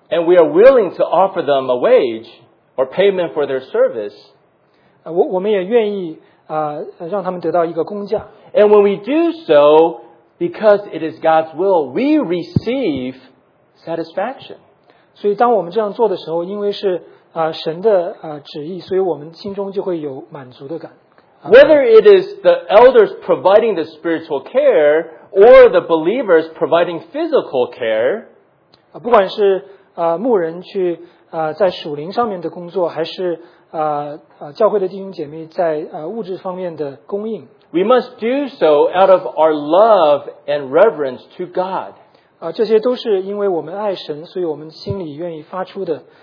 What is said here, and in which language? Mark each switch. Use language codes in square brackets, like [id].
[en] And we are willing to offer them a wage or payment for their service. [zh] 我们也愿意让他们得到一个工价。 [en] And when we do so, because it is God's will, we receive satisfaction. [zh] 所以当我们这样做的时候因为是神的旨意，所以我们心中就会有满足的感。 [en] Whether it is the elders providing the spiritual care or the believers providing physical care, [zh] 不管是牧人去在属灵上面的工作，还是教会的弟兄姐妹在物质方面的供应 [en] ，We must do so out of our love and reverence to God. [zh] 这些都是因为我们爱神，所以我们心里愿意发出的。